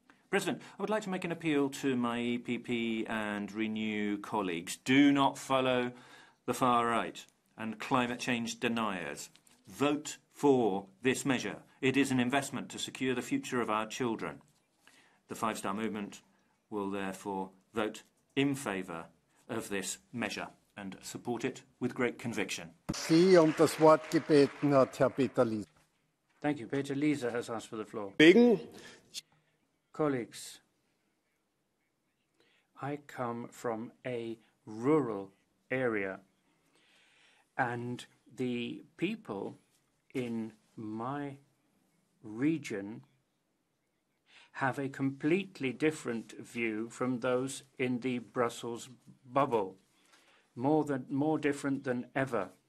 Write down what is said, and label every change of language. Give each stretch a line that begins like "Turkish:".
English: President, I would like to make an appeal to my EPP and Renew colleagues. Do not follow the far right and climate change deniers. vote for this measure. It is an investment to secure the future of our children. The Five Star Movement will therefore vote in favour of this measure and support it with great conviction.
German: Sie um das Wort gebeten hat, Herr Peter Lieser.
English: Thank you. Peter Lieser has asked for the floor. Bing. Colleagues, I come from a rural area, and the people in my region have a completely different view from those in the Brussels bubble, more different than ever.